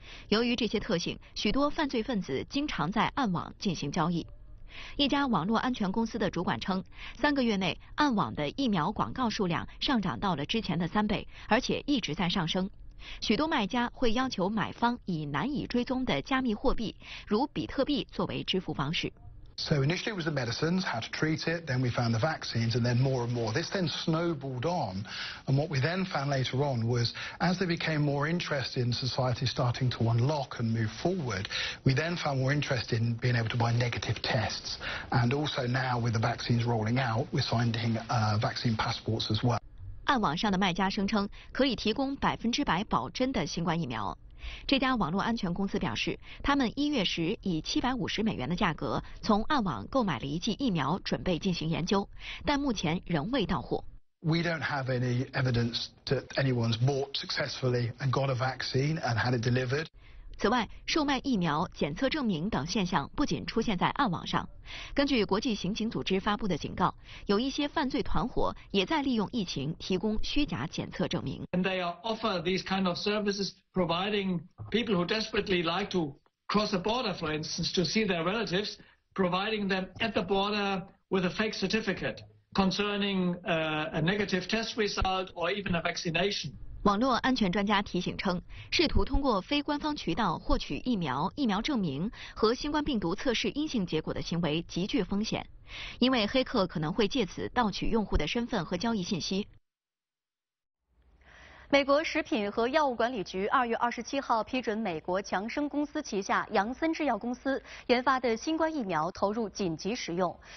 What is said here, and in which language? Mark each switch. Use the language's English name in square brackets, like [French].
[Chinese] 由于这些特性，许多犯罪分子经常在暗网进行交易。一家网络安全公司的主管称，三个月内暗网的疫苗广告数量上涨到了之前的三倍，而且一直在上升。许多卖家会要求买方以难以追踪的加密货币，如比特币作为支付方式。 [English] So initially it was the medicines, how to treat it, then we found the vaccines, and then more and more. This then snowballed on, and what we then found later on was, as they became more interested in society starting to unlock and move forward, we then found more interested in being able to buy negative tests. And also now, with the vaccines rolling out, we're signing vaccine passports as well. [Chinese] 暗网上的卖家声称可以提供100%保真的新冠疫苗。这家网络安全公司表示，他们一月时以$750的价格从暗网购买了一剂疫苗，准备进行研究，但目前仍未到货。 [English] We don't have any evidence that anyone's bought successfully and got a vaccine and had it delivered. [Chinese] 此外，售卖疫苗、检测证明等现象不仅出现在暗网上。根据国际刑警组织发布的警告，有一些犯罪团伙也在利用疫情提供虚假检测证明。 [English] And they offer these kind of services, providing people who desperately like to cross a border, for instance, to see their relatives, providing them at the border with a fake certificate concerning a negative test result or even a vaccination. [Chinese] 网络安全专家提醒称，试图通过非官方渠道获取疫苗、疫苗证明和新冠病毒测试阴性结果的行为极具风险，因为黑客可能会借此盗取用户的身份和交易信息。美国食品和药物管理局2月27日批准美国强生公司旗下杨森制药公司研发的新冠疫苗投入紧急使用。